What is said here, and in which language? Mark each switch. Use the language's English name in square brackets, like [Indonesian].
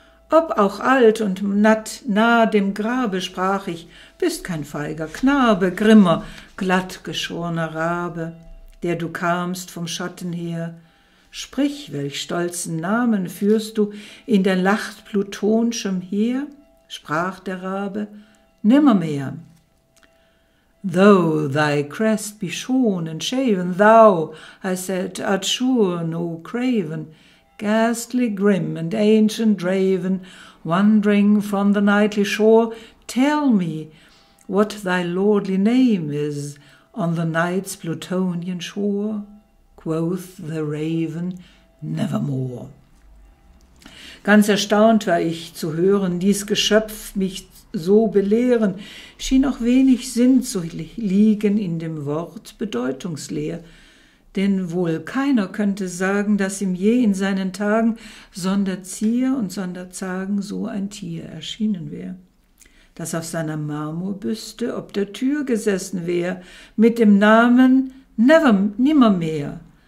[German] Ob auch alt und natt, nah dem Grabe sprach ich, bist kein feiger Knabe, grimmer, glattgeschorner Rabe, der du kamst vom Schatten her. Sprich, welch stolzen Namen führst du in der Lacht plutonschem Heer? Sprach der Rabe, nimmermehr. [English] Though thy crest be shorn and shaven, thou, I said, art sure no craven, ghastly grim and ancient raven, wandering from the nightly shore, tell me what thy lordly name is on the night's plutonian shore. Quoth the Raven, nevermore. [German] Ganz erstaunt war ich zu hören, dies Geschöpf mich so belehren, schien auch wenig Sinn zu liegen in dem Wort bedeutungsleer, denn wohl keiner könnte sagen, dass ihm je in seinen Tagen sonder Zier und sonder Zagen so ein Tier erschienen wär, das auf seiner Marmorbüste ob der Tür gesessen wär, mit dem Namen never, nimmermehr.